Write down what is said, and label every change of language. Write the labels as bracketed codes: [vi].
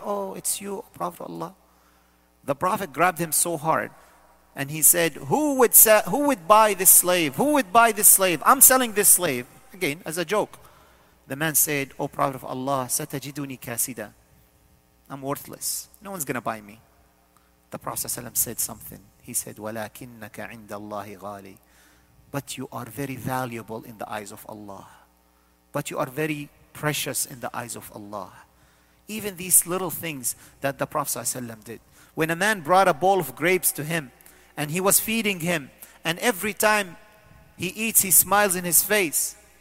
[en] Oh, it's you, Prophet Allah. The Prophet grabbed him so hard. And he said, who would buy this slave? I'm selling this slave. Again, as a joke. The man said, oh, Prophet of Allah, [ar] satajiduni kasida. [en] I'm worthless. No one's going to buy me. The Prophet ﷺ said something. He said, [ar] وَلَكِنَّكَ عِنْدَ اللَّهِ غَالِي. [en] But you are very valuable in the eyes of Allah. But you are very precious in the eyes of Allah. Even these little things that the Prophet ﷺ did. When a man brought a bowl of grapes to him, and he was feeding him, and every time he eats, he smiles in his face.